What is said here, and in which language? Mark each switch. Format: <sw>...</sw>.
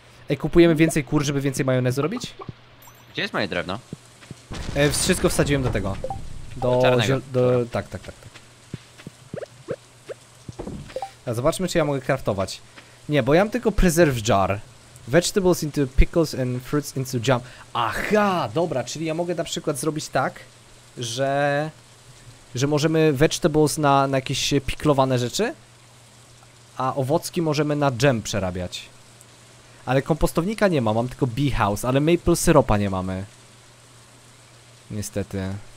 <pl>Ej, kupujemy więcej kur, żeby więcej majonezu zrobić? Gdzie jest moje drewno? Wszystko wsadziłem do tego. Do tak. A zobaczmy, czy ja mogę craftować. Nie, bo ja mam tylko preserve jar.</pl> <en>Vegetables into pickles and fruits into jam.</en> <pl>Aha, dobra, czyli ja mogę na przykład zrobić tak, że możemy vegetables na jakieś piklowane rzeczy, a owocki możemy na jam przerabiać. Ale kompostownika nie ma, mam tylko bee house, ale maple syropa nie mamy. Niestety.</pl>